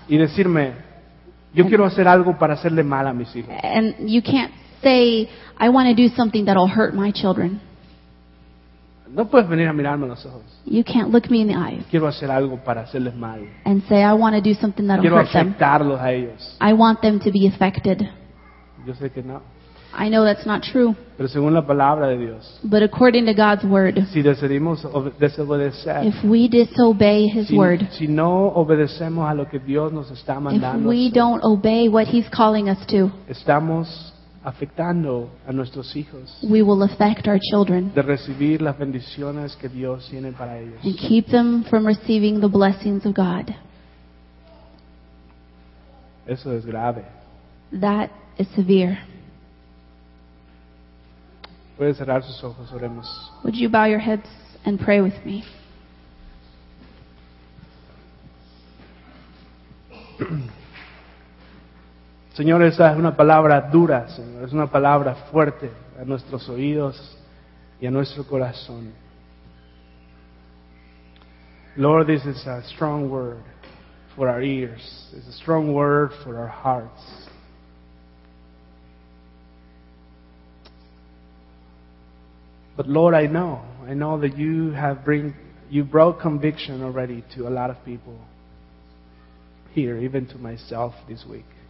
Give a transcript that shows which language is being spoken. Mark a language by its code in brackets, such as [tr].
[es] y decirme, yo quiero hacer algo para hacerle mal a mis hijos. [en] And you can't say, I want to do something that will hurt my children. [es] No puedes venir a mirarme a los ojos. [en] You can't look me in the eyes. [es] Quiero hacer algo para hacerles mal. [en] And say, I want to do something that will hurt them. [es] Quiero afectarlos a ellos. [en] I want them to be affected. [es] Yo sé que no. [en] I know that's not true. [es] Pero según la palabra de Dios, [en] but according to God's word, [es] si decidimos desobedecer, [en] if we disobey His word, [es] si no obedecemos a lo que Dios nos está mandando, [en] if we don't obey what He's calling us to, [es] estamos afectando a nuestros hijos, [en] we will affect our children, [es] de recibir las bendiciones que Dios tiene para ellos, [en] and keep them from receiving the blessings of God. [es] Eso es grave. [en] That is severe. [es] Puedes cerrar sus ojos, oremos. [en] Would you bow your heads and pray with me? [es] Señor, esa es una palabra dura, Señor. Es una palabra fuerte a nuestros oídos y a nuestro corazón. [en] Lord, this is a strong word for our ears. It's a strong word for our hearts. But Lord, I know that you brought conviction already to a lot of people here, even to myself this week.